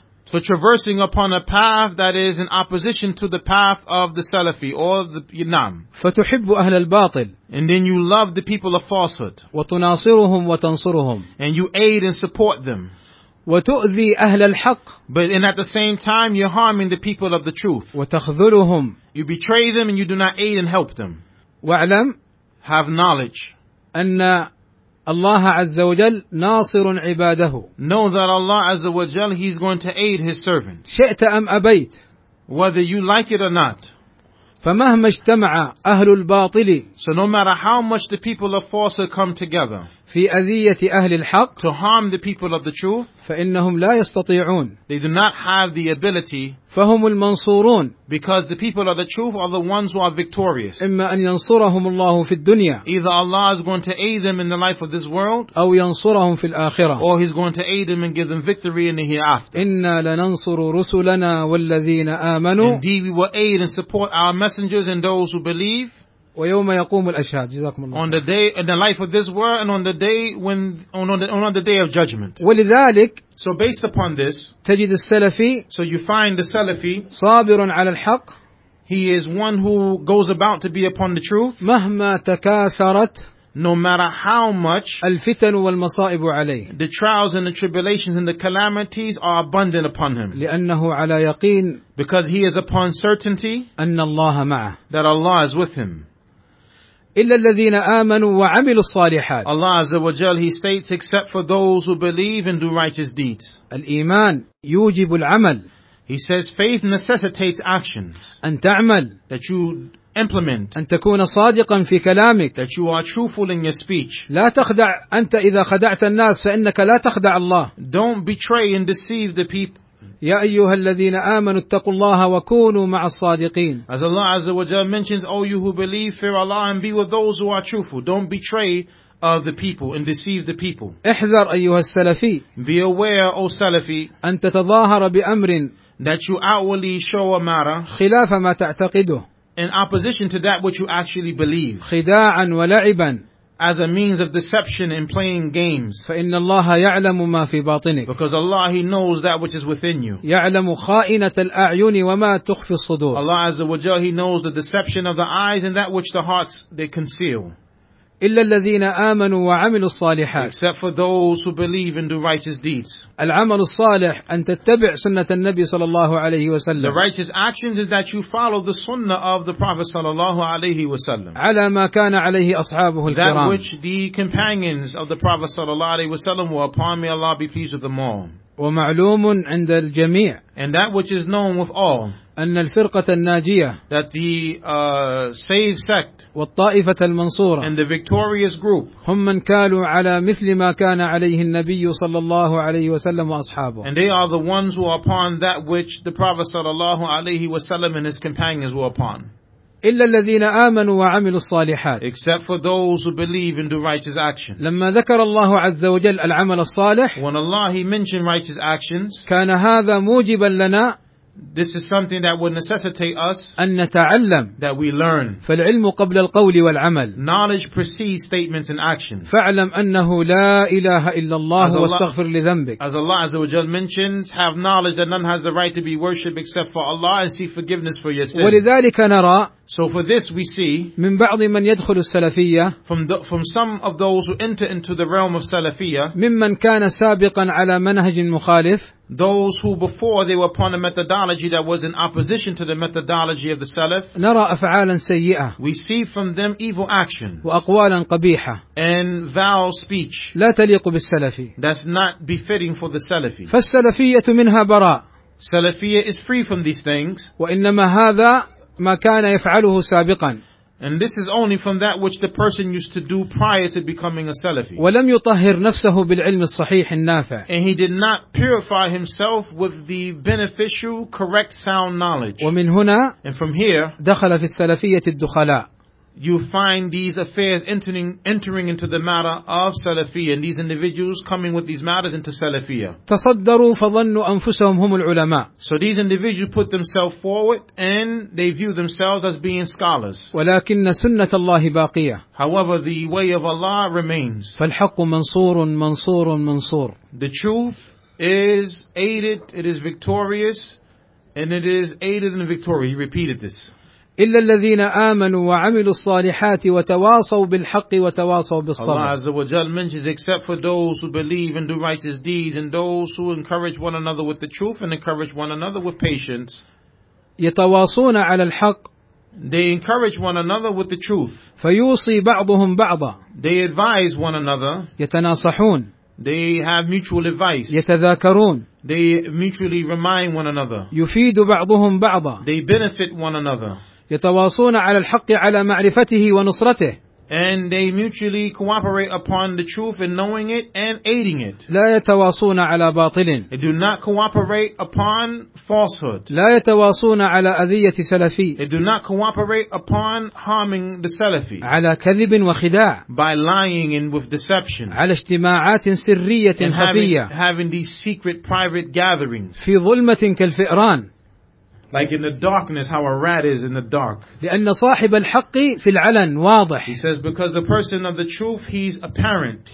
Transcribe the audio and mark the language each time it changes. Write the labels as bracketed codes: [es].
[en] So traversing upon a path that is in opposition to the path of the Salafi or the Imam. [ar] فتحب أهل الباطل. [en] And then you love the people of falsehood. [ar] وتناصرهم وتنصرهم. [en] And you aid and support them. [ar] وتؤذي أهل الحق. [en] But in at the same time you're harming the people of the truth. [ar] وتخذلهم. [en] You betray them and you do not aid and help them. [ar] واعلم. [en] Have knowledge. [ar] أن الله عز وجل ناصر عباده. [en] Know that Allah [ar] عز وجل [en] he's going to aid his servant. [ar] شئت أم أبيت. [en] Whether you like it or not. [ar] فمهما اجتمع أهل الباطل. [en] So no matter how much the people of falsehood come together. [ar] في أذية أهل الحق. [en] To harm the people of the truth. [ar] فإنهم لا يستطيعون. [en] They do not have the ability. [ar] فهم المنصورون. [en] Because the people of the truth are the ones who are victorious. [ar] إما أن ينصرهم الله في الدنيا. [en] Either Allah is going to aid them in the life of this world. [ar] أو ينصرهم في الآخرة. [en] Or He's going to aid them and give them victory in the hereafter. [ar] إنا لننصر رسلنا والذين آمنوا. [en] Indeed we will aid and support our messengers and those who believe. [ar] ويوم يقوم الأشهاد جزاكم الله. [en] On the day in the life of this world and on the day when on the day of judgment. [ar] ولذلك. [en] So based upon this. [ar] تجد السلفي. [en] So you find the Salafi. [ar] صابر على الحق. [en] He is one who goes about to be upon the truth. [ar] مهما تكاثرت. [en] No matter how much. [ar] الفتن والمصائب عليه. [en] The trials and the tribulations and the calamities are abundant upon him. [ar] لأنه على يقين. [en] Because he is upon certainty. [ar] أن الله معه. [en] That Allah is with him. [ar] إلا الذين آمنوا وعملوا الصالحات. [en] Allah Azza wa Jal, He states, except for those who believe and do righteous deeds. [ar] الإيمان يوجب العمل. [en] He says, faith necessitates actions. [ar] أن تعمل. [en] That you implement. [ar] أن تكون صادقا في كلامك. [en] That you are truthful in your speech. [ar] لا تخدع أنت إذا خدعت الناس فإنك لا تخدع الله. [en] Don't betray and deceive the people. [ar] يا أيها الذين آمنوا اتقوا الله وكونوا مع الصادقين. [en] As Allah Azza wa Jalla mentions, O you who believe, fear Allah and be with those who are truthful. Don't betray the people and deceive the people. [ar] احذر أيها السلفي. [en] Be aware, O Salafi. [ar] أن تتظاهر بأمر. [en] That you outwardly show a matter. [ar] خلاف ما تعتقده. [en] In opposition to that which you actually believe. [ar] خداعا ولعبا. [en] As a means of deception and playing games. [ar] فإن الله يعلم ما في باطنك. [en] Because Allah He knows that which is within you. [ar] يعلم خائنة الأعين وما تخفي الصدور. [en] Allah Azza wa Jalla He knows the deception of the eyes and that which the hearts they conceal. [ar] إلا الذين آمنوا وعملوا الصالحات. [en] Except for those who believe and do righteous deeds. [ar] العمل الصالح أن تتبع سنة النبي صلى الله عليه وسلم. [en] The righteous actions is that you follow the sunnah of the Prophet [ar] صلى الله عليه وسلم. على ما كان عليه أصحابه الكرام. [en] That which the companions of the Prophet [ar] صلى الله عليه وسلم [en] were upon, may Allah be pleased with them all. [ar] ومعلوم عند الجميع. [en] And that which is known with all. [ar] أن الفرقة الناجية. [en] That the saved sect. [ar] والطائفة المنصورة. [en] And the victorious group. [ar] هم من كانوا على مثل ما كان عليه النبي صلى الله عليه وسلم وأصحابه. [en] And they are the ones who are upon that which the Prophet [ar] صلى الله عليه وسلم [en] and his companions were upon. [ar] إلا الذين آمنوا وعملوا الصالحات. [en] Except for those who believe and do righteous action. [ar] لما ذكر الله عز وجل العمل الصالح. [en] When Allah He mentioned righteous actions. [ar] كان هذا موجبا لنا. [en] This is something that would necessitate us. [ar] أن نتعلم. [en] That we learn. [ar] فالعلم قبل القول والعمل. [en] Knowledge precedes statements and actions. [ar] فاعلم أنه لا إله إلا الله واستغفر لذنبك. [en] As Allah [ar] عز وجل [en] mentions, have knowledge that none has the right to be worshipped except for Allah and seek forgiveness for your sins. [ar] ولذلك نرى. [en] So for this we see [ar] من بعض من يدخل السلفية [en] from some of those who enter into the realm of Salafiyya [ar] ممن كان سابقا على منهج مخالف [en] those who before they were upon a methodology that was in opposition to the methodology of the Salaf [ar] نرى أفعالا سيئة [en] we see from them evil actions [ar] وأقوالا قبيحة [en] and vile speech [ar] لا تليق بالسلفي [en] that's not befitting for the Salafi [ar] فالسلفية منها براء [en] Salafiyya is free from these things [ar] وإنما هذا ما كان يفعله سابقا [en] and this is only from that which the person used to do prior to becoming a Salafi [ar] ولم يطهر نفسه بالعلم الصحيح النافع [en] and he did not purify himself with the beneficial correct sound knowledge [ar] ومن هنا [en] and from here [ar] دخل في السلفية الدخلاء [en] you find these affairs entering into the matter of Salafiyya and these individuals coming with these matters into Salafiyya [ar] تصدروا فظنوا أنفسهم هم العلماء [en] so these individuals put themselves forward and they view themselves as being scholars [ar] ولكن سنة الله باقية [en] however the way of Allah remains [ar] فالحق منصور منصور منصور [en] the truth is aided it is victorious and it is aided in victory he repeated this [ar] إلا الذين آمنوا وعملوا الصالحات وتواصوا بالحق وتواصوا بالصبر. [en] Allah [ar] عز وجل [en] mentions except for those who believe and do righteous deeds and those who encourage one another with the truth and encourage one another with patience. [ar] يتواصون على الحق. [en] They encourage one another with the truth. [ar] فيوصي بعضهم بعضا. [en] They advise one another. [ar] يتناصحون. [en] They have mutual advice. [ar] يتذاكرون. [en] They mutually remind one another. [ar] يفيد بعضهم بعضا. [en] They benefit one another. [ar] يتواصون على الحق على معرفته ونصرته. [en] And they mutually cooperate upon the truth in knowing it and aiding it. [ar] لا يتواصون على باطل. [en] They do not cooperate upon falsehood. [ar] لا يتواصون على أذية سلفي. [en] They do not cooperate upon harming the Salafi. [ar] على كذب وخداع. [en] By lying and with deception. [ar] على اجتماعات سرية خفية. [en] Having these secret private gatherings. [ar] في ظلمة كالفئران. [en] Like in the darkness, how a rat is in the dark. [ar] لأن صاحب الحق في العلن واضح. [en] He says, because the person of the truth, he's apparent, he's